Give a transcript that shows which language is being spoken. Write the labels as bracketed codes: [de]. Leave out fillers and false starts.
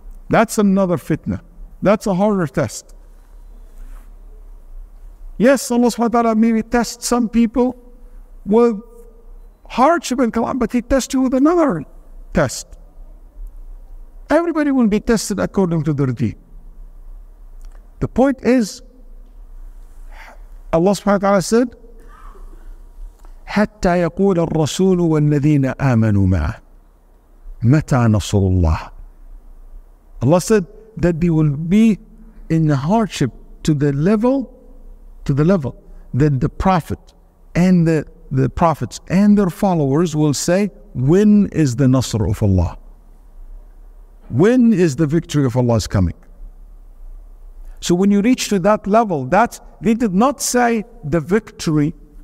[en] That's another fitna. That's a harder test. Yes, Allah subhanahu wa ta'ala maybe tests some people with hardship and calamity, but He tests you with another test. Everybody will be tested according to their deed. The point is, Allah subhanahu wa ta'ala said, [ar] حَتَّى يَقُولَ الرَّسُولُ وَالَّذِينَ آمَنُوا مَعَهُ مَتَى نَصُرُ اللَّهِ. [en] Allah said that they will be in hardship to the level that the Prophet and the Prophets and their followers will say, when is the Nasr of Allah? When is the victory of Allah's coming? So when you reach to that level, that they did not say the victory.